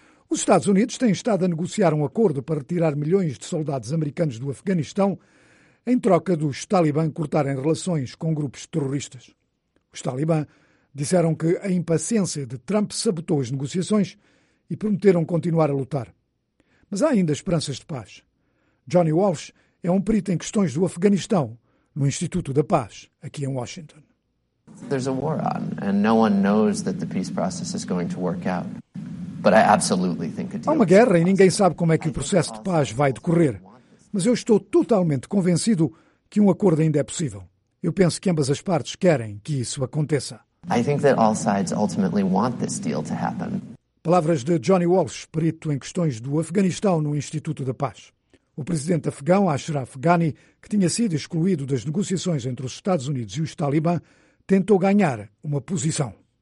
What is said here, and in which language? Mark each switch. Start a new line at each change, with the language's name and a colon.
Portuguese: Os Estados Unidos têm estado a negociar um acordo para retirar milhões de soldados americanos do Afeganistão em troca dos Talibã cortarem relações com grupos terroristas. Os Talibã disseram que a impaciência de Trump sabotou as negociações e prometeram continuar a lutar. Mas há ainda esperanças de paz. Johnny Walsh é um perito em questões do Afeganistão no Instituto da Paz, aqui em Washington.
English: There's a war on and no one knows that the peace process is going to work out. But I absolutely think
Portuguese: há uma guerra e ninguém sabe como é que o processo de paz vai decorrer. Mas eu estou totalmente convencido que um acordo ainda é possível. Eu penso que ambas as partes querem que isso aconteça.
English: I think that all sides ultimately want this deal to happen.
Portuguese: Palavras de Johnny Walsh, perito em questões do Afeganistão no Instituto da Paz. O presidente afegão, Ashraf Ghani, que tinha sido excluído das negociações entre os Estados Unidos e os Talibã, tentou ganhar uma posição.